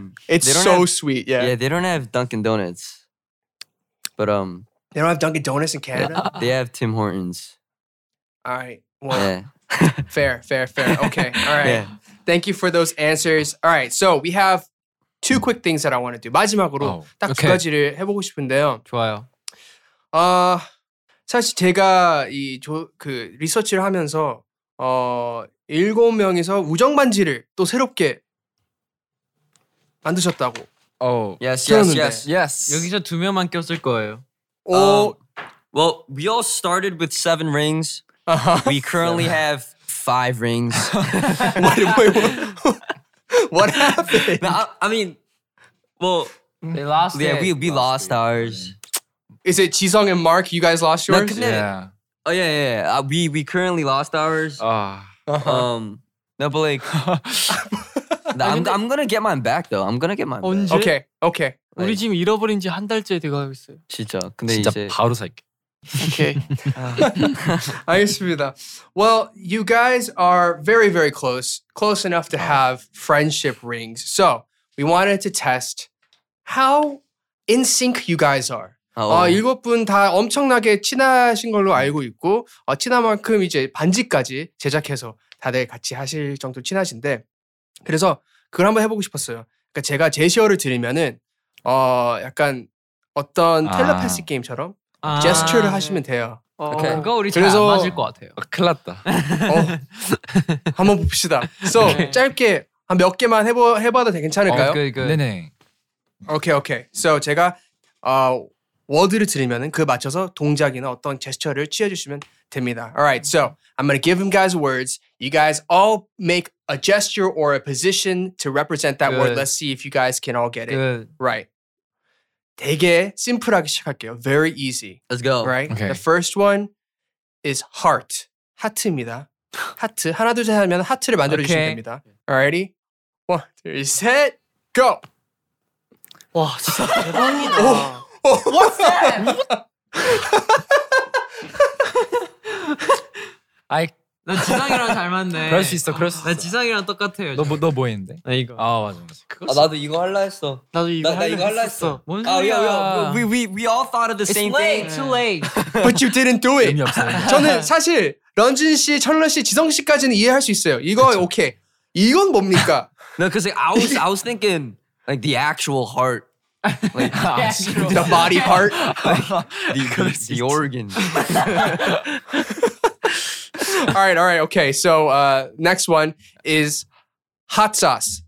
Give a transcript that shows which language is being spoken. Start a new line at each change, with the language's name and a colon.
English: it's so sweet. Yeah. Yeah, they don't have Dunkin' Donuts, but they don't have Dunkin' Donuts in Canada. They have Tim Hortons. All right. Well, yeah. fair. Okay. All right. Yeah. Thank you for those answers. All right, so we have two quick things that I want to do.
Korean: 마지막으로 딱 두 가지를 해보고 싶은데요. 좋아요. 사실 제가 리서치를 하면서 일곱 명에서 우정 반지를 또 새롭게 만드셨다고.
English: Yes.
Korean: 여기서 두 명만 꼈을 거예요.
English: Well, we all started with 7 rings. Uh-huh. We currently have 5 rings. What? Wait, what? What happened? No, I mean, well, they lost. Yeah, it. we lost ours. Is it Jisung and Mark? You guys lost yours? No, yeah. Oh yeah, yeah, yeah. We currently lost ours. No, but like, no, I'm gonna get mine back though. I'm gonna get mine.
Korean: 언제?
English: Back. Okay.
Korean: Like, 우리 지금 잃어버린 지 한 달째 돼가고 있어요. 진짜. 근데 진짜 이제 바로 살게.
English: Okay.
Korean: 알겠습니다.
English: Well, you guys are very, very close. Close enough to have friendship rings. So, we wanted to test how in sync you guys are.
Korean: 일곱 분 다 엄청나게 친하신 걸로 알고 있고 친한 만큼 이제 반지까지 제작해서 다들 같이 하실 정도 친하신데 그래서 그걸 한번 해보고 싶었어요. 그러니까 제가 제시어를 드리면은 약간 어떤 텔레파시 게임처럼 제스처를 하시면 돼요. 그거 우리 잘 안 맞을 것 같아요. 큰일 났다. 한번 봅시다. So, 짧게 한 몇 개만 해봐도 괜찮을까요? 그. 네네. 오케이. So, 제가 워드를 드리면 그 맞춰서 동작이나 어떤 제스처를 취해주시면 됩니다.
English: Alright, so I'm gonna give him guys words. You guys all make a gesture or a position to represent that word. Let's see if you guys can all get it. Right.
Korean: 되게 심플하게 시작할게요.
English: Very easy. Let's go. Right? Okay. The first one is heart.
Korean: 하트입니다. 하트. 하나, 둘, 셋 하면 하트를 만들어주시면 okay.
English: 됩니다. Alrighty. One, two, three, set, go!
Korean: 와, 진짜 대박이다.
English: What's that?
Korean: 아이, 나 지상이랑 잘 맞네. 그럴 수 있어, 그럴 수 있어. 나 지상이랑 똑같아요. 너 뭐 했는데? 나 이거. 아, 맞아. 아, 나도 이거 할라 했어. 나도 이거 할라 했어. 뭔 소리야.
English: We all thought of the same thing. It's late, too late. But you didn't do it.
Korean: 재미없어요. 저는 사실 런쥔 씨, 철런 씨, 지성 씨까지는 이해할 수 있어요. 이거 오케이. 이건 뭡니까?
English: No, because I was thinking like the actual heart. Like, the body part, like, the organ. all right. Okay, so next one is hot sauce.